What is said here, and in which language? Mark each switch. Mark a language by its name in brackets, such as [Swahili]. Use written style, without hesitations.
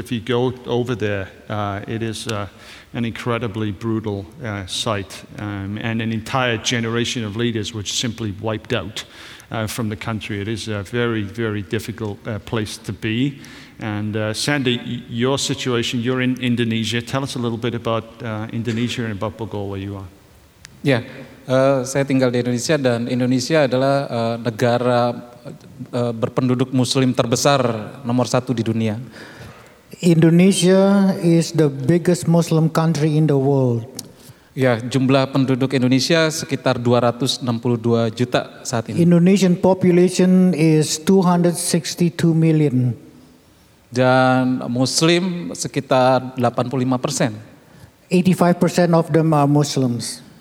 [English] If you go over there, it is an incredibly brutal sight, and an entire generation of leaders were simply wiped out from the country. It is a very, very difficult place to be. And Sandy, your situation, you're in Indonesia. Tell us a little bit about Indonesia and about Bogor, where you are. Yeah. [Indonesian] Saya tinggal di Indonesia dan Indonesia adalah negara berpenduduk Muslim terbesar nomor satu di dunia. [English] Indonesia is the biggest Muslim country in the world. [Indonesian] Ya, jumlah penduduk Indonesia sekitar 262 juta saat ini. [English] Indonesian population is 262 million. [Indonesian] Dan Muslim sekitar 85%. [English] 85% of them are Muslims.